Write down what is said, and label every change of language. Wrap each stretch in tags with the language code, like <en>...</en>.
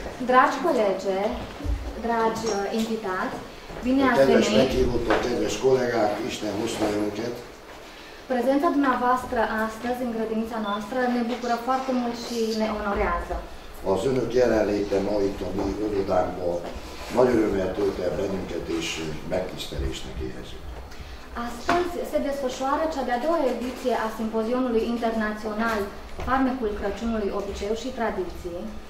<ro>Dragi colege, dragi invitați, bine ați venit.</ro> <hu>Kedves meghívottak, kedves kollégák, Isten hozta önöket.</hu> <ro>Prezența dumneavoastră astăzi în grădinița noastră ne bucură foarte mult și ne onorează.</ro> <hu>Az önök jelenléte ma itt a mi irodánkba nagy örömmel tölt el bennünket és megtisztelésnek érezzük.</hu> <ro>Astăzi se desfășoară cea de-a doua ediție a Simpozionului Internațional Farmecul Crăciunului Obiceiul și Tradiției.</ro>